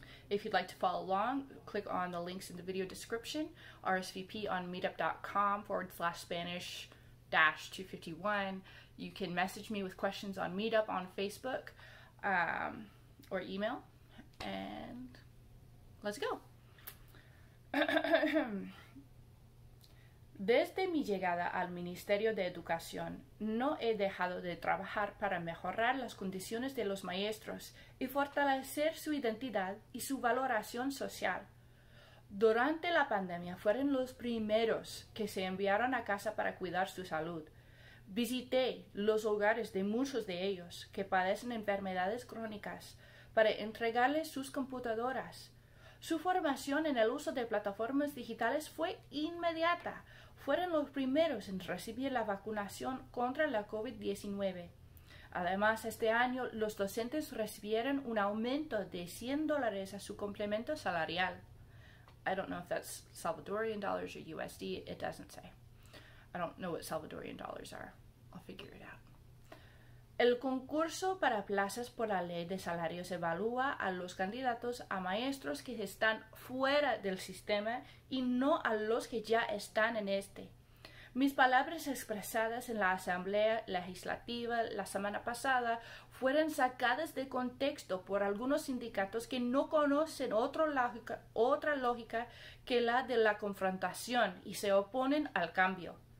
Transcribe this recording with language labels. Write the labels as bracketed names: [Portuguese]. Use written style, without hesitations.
[English] If you'd like to follow along, click on the links in the video description, RSVP on meetup.com/Spanish-251. You can message me with questions on Meetup on Facebook or email, and let's go. [Spanish] Desde mi llegada al Ministerio de Educación, no he dejado de trabajar para mejorar las condiciones de los maestros y fortalecer su identidad y su valoración social. Durante la pandemia, fueron los primeros que se enviaron a casa para cuidar su salud. Visité los hogares de muchos de ellos que padecen enfermedades crónicas para entregarles sus computadoras. Su formación en el uso de plataformas digitales fue inmediata. Fueron los primeros en recibir la vacunación contra la COVID-19. Además, este año, los docentes recibieron un aumento de $100 a su complemento salarial. [English] I don't know if that's Salvadorian dollars or USD. It doesn't say. I don't know what Salvadorian dollars are. I'll figure it out. [Spanish] El concurso para plazas por la ley de salarios evalúa a los candidatos a maestros que están fuera del sistema y no a los que ya están en este. Mis palabras expresadas en la Asamblea Legislativa la semana pasada fueron sacadas de contexto por algunos sindicatos que no conocen otra lógica que la de la confrontación y se oponen al cambio.